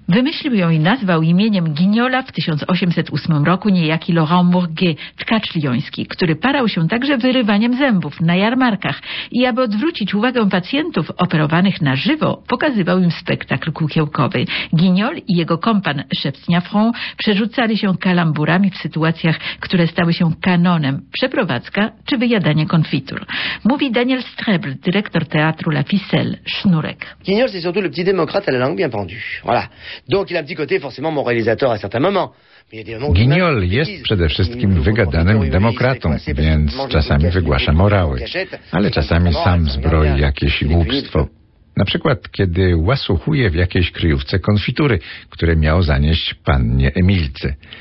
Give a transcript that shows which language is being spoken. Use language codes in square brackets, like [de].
[pl] Wymyślił ją i nazwał imieniem Giniola w 1808 roku niejaki Laurent Mourguet, tkacz lioński, który parał się także wyrywaniem zębów na jarmarkach i aby odwrócić uwagę pacjentów operowanych na żywo, pokazywał im spektakl kukiełkowy. Giniol i jego kompan szef Snafron przerzucali się kalamburami w sytuacjach, które stały się kanonem, przeprowadzka czy wyjadanie konfitur. Mówi Daniel Strebl, dyrektor teatru La Ficelle, Sznurek. [fr] Giniol, c'est surtout le petit démocrate à la langue bien pendue. Voilà. Donc il a un petit côté forcément mon réalisateur à certains moments. [pl] Giniol jest przede wszystkim wygadanym demokratą, więc czasami wygłasza morały, ale czasami sam zbroi jakieś głupstwo. Na przykład, kiedy łasuchuje w jakiejś kryjówce konfitury, które miał zanieść pannie Emilce.